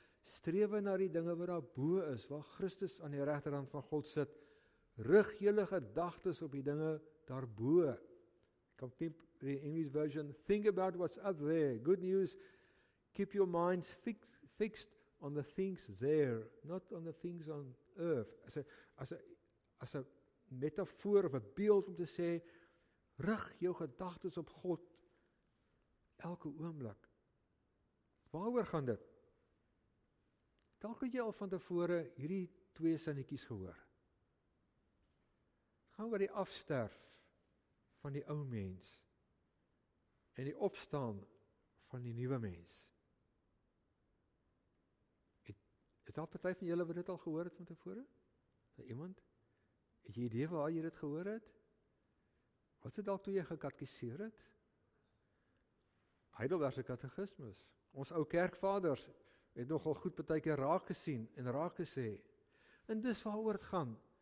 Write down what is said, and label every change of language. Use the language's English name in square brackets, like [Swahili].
[Afrikaans] Strewe na die dinge wat daar bo is, waar Christus aan die regterhand van God sit. Rig julle gedagtes op die dinge daarbo. [English] Contemporary English version, think about what's up there. Good news, keep your minds fixed on the things there, not on the things on earth. [Afrikaans] As a metafoor of a beeld om te sê, rig jou gedagtes op God elke oomblik. Waaroor gaan dit? Dalk het jy al van tevore hierdie twee sinnetjies gehoor. Gaan oor die afsterf van die ou mens en die opstaan van die nuwe mens. Is daar party van julle wat dit al gehoor het van tevore? Van iemand? Het jy idee waar jy dit gehoor het? Was dit dalk toe jy gekatekiseer het? Heidelbergse katekismus. Ons ou kerkvaders het nogal goed partyke raak gesien en raak gesê. En dis waaroor dit gaan.